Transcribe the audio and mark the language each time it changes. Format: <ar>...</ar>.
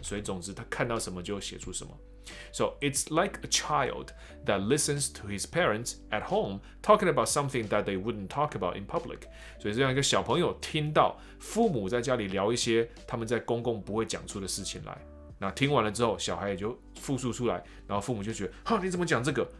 <zh>所以总之，他看到什么就写出什么。</zh> <en>So it's like a child that listens to his parents at home talking about something that they wouldn't talk about in public.</en> <zh>所以这样一个小朋友听到父母在家里聊一些他们在公共不会讲出的事情来，那听完了之后，小孩也就复述出来，然后父母就觉得，哈，你怎么讲这个？</zh>